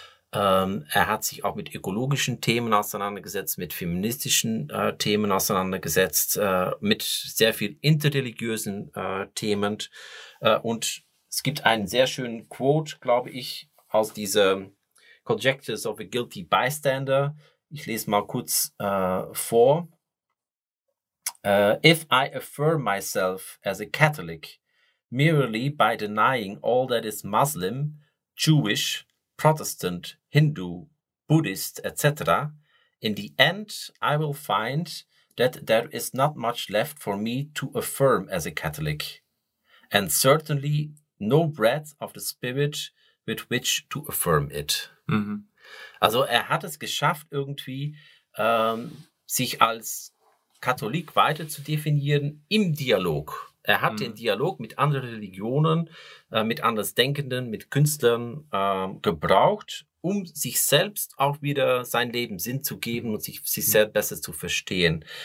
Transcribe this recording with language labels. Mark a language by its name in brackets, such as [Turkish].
[German] Er hat sich auch mit ökologischen Themen auseinandergesetzt, mit feministischen Themen auseinandergesetzt, mit sehr viel interreligiösen Themen und es gibt einen sehr schönen Quote, glaube ich, aus dieser Conjectures of a Guilty Bystander. Ich lese mal kurz vor. [English] If I affirm myself as a Catholic merely by denying all that is Muslim, Jewish, Protestant, Hindu, Buddhist, etc., in the end I will find that there is not much left for me to affirm as a Catholic. And certainly no breath of the spirit with which to affirm it. Mhm. [German] Also er hat es geschafft, irgendwie sich als Katholik weiter zu definieren im Dialog. Er hat den Dialog mit anderen Religionen, mit Andersdenkenden, mit Künstlern gebraucht, um sich selbst auch wieder sein Leben Sinn zu geben und sich selbst besser zu verstehen.